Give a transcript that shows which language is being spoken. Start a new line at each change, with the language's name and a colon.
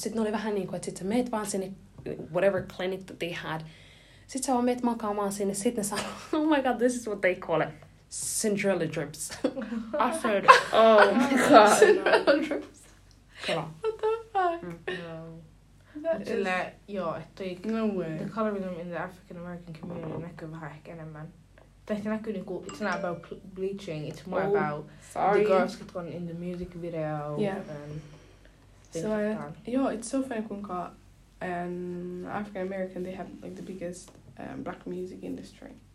Finnish: Sitten oli vähän niin kuin, että sitten sä meet vaan sinne,
English: whatever clinic that they had.
Finnish: Sitten sä vaan meet makaamaan sinne. Sitten ne sanoo,
English: oh my god, this is what they call it. Cinderella drips. I've heard. Oh my god. Cinderella drips.
Finnish: Kela.
English: What the fuck? That is... No way. The colorism in the African American community
Finnish: näkyy vähän ehkä enemmän. Tästä näkyy niinku,
English: it's not about bleaching, it's more about the girls that are in the music video Yeah, it's so funny,
Finnish: kuinka
English: African American, they have the biggest black music industry.